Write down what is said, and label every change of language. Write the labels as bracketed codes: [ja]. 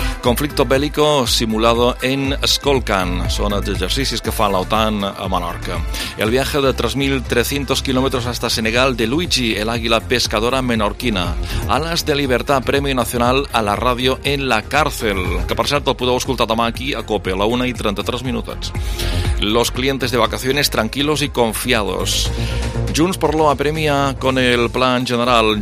[es] Conflicto bélico simulado en Skolkan. [ca] Són els exercicis que fa l'OTAN a Menorca. [es] El viaje de 3.300 kilómetros hasta Senegal de Luigi, el águila pescadora menorquina. Alas de libertad, premio nacional a la ràdio en la cárcel. [ca] Que, per cert, el podeu escoltar demà aquí a COPE, a la 1:33. [es] Los clientes de vacaciones tranquilos y confiados. Junts per Lo apremia con el plan general.